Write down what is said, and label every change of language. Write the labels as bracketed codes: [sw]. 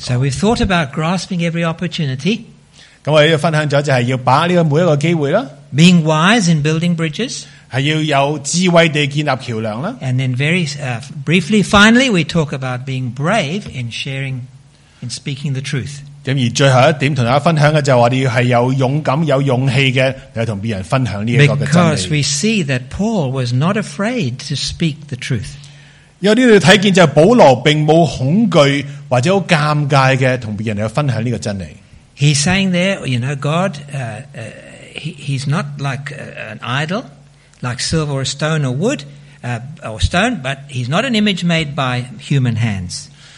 [en] So we thought about grasping every opportunity。 [yue] 咁我哋分享咗就系要把握呢个每一个机会啦。 [en] Being wise in building bridges， [yue] 系要有智慧地建立桥梁啦。 [en] And then very briefly, finally, we talk about being brave in sharing, in speaking the truth。 [yue] 咁而最后一点同大家分享嘅就系话你要系有勇敢有勇气嘅，你同别人分享呢一个嘅真理。 [en] Because we see that Paul was not afraid to speak the truth。 [yue] 有啲你睇见就系保罗并冇恐惧或者好尴尬嘅同别人去分享呢个真理。 [en] He's saying there, you know, God, he's not like an idol, like silver or stone or wood, or stone, but he's not an image made by human hands。